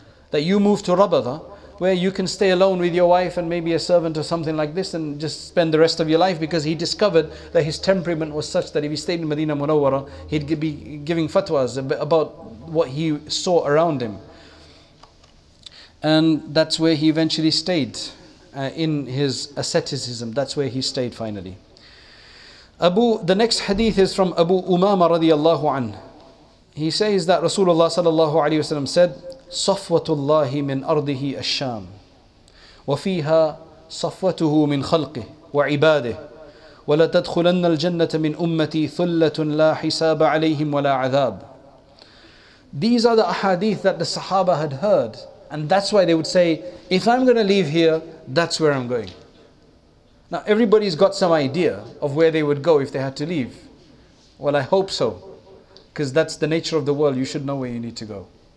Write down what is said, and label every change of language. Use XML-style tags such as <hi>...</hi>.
<en>That you move to Rabada, where you can stay alone with your wife and maybe a servant or something like this and just spend the rest of your life, because he discovered that his temperament was such that if he stayed in Medina Munawwara, he'd be giving fatwas about what he saw around him. And that's where he eventually stayed, in his asceticism. That's where he stayed finally. The next hadith is from Abu Umama radiallahu anhu. He says that Rasulullah sallallahu alayhi wa sallam said,</en> <ar>صفوةالله من أرضه الشام وفيها صفوته من خلقه وعباده ولا تدخلن الجنة من أمتي ثلة لا حساب عليهم ولا عذاب.</ar> <en>These are the ahadith that the Sahaba had heard, and that's why they would say, if I'm going to leave here, that's where I'm going. Now everybody's got some idea of where they would go if they had to leave. Well, I hope so, because that's the nature of the world. You should know where you need to go.</en>